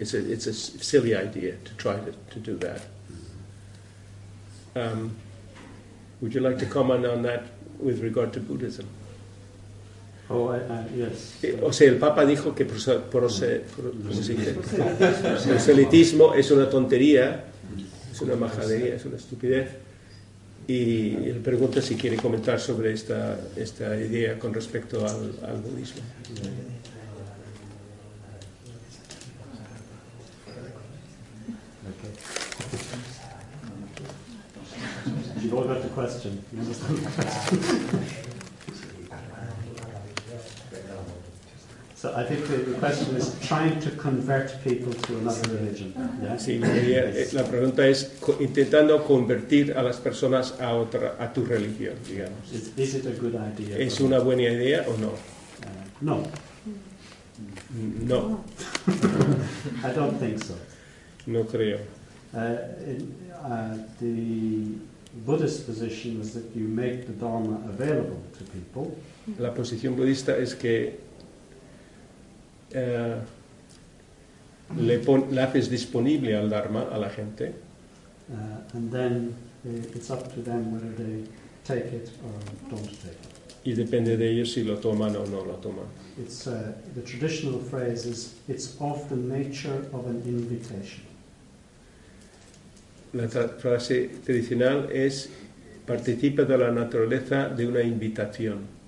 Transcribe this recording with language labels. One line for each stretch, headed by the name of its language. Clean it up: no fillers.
English: It's a silly idea to try to do that. Would you like to comment on that with regard to Buddhism? Yes.
Spanish: O sea, el Papa dijo que proselitismo es una tontería, es una majadería, es una estupidez. Y él pregunta si quiere comentar sobre esta idea con respecto al budismo.
English: You've all got the question. You understand the question. So I think the question is trying to convert people to another religion.
Spanish: La pregunta es intentando convertir a las personas a otra, a tu religión, digamos.
English: Is it a good idea?
Spanish: ¿Es una buena idea o no?
English: No.
Spanish: No.
English: I don't think so.
Spanish: No creo.
English: The Buddhist position is that you make the Dharma available to people.
Spanish: La posición budista es que le haces disponible al Dharma a la gente.
English: And then it's up to them whether they take it or don't take it.
Spanish: Y depende de ellos si lo toman o no lo toman.
English: It's the traditional phrase is it's of the nature of an invitation.
Spanish: La frase tradicional es participa de la naturaleza de una invitación.